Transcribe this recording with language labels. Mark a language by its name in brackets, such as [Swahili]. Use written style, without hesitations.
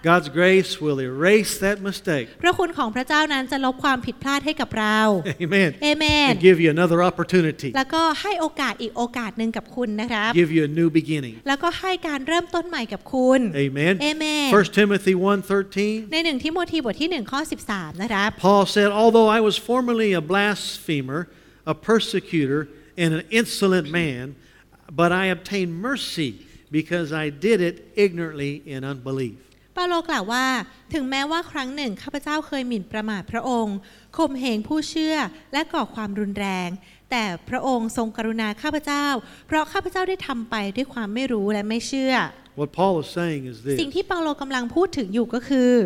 [English] God's grace will erase that mistake [Thai] พระคุณของพระเจ้านั้นจะลบความผิดพลาดให้กับเรา [English] Amen Amen And give you another opportunity [Thai] แล้วก็ให้โอกาสอีกโอกาสนึงกับคุณนะครับ [English] Give you a new beginning [Thai] แล้วก็ให้การเริ่มต้นใหม่กับคุณ [English] Amen Amen 1 Timothy 1:13 [Thai] ใน1ทิโมธีบทที่1ข้อ13นะครับ [English] Paul said although I was formerly a blasphemer a persecutor and an insolent man but I obtained mercy because I did it ignorantly in unbelief [Thai] ปาโลกล่าวว่าถึงแม้ว่าครั้งหนึ่งข้าพเจ้าเคยหมิ่นประมาทพระองค์ข่มเหงผู้เชื่อและก่อความรุนแรงแต่พระองค์ทรงกรุณาข้าพเจ้าเพราะข้าพเจ้าได้ทำไปด้วยความไม่รู้และไม่เชื่อ [English] What Paul was saying is this [Thai] สิ่งที่เปาโลกำลังพูดถึงอยู่ก็คือ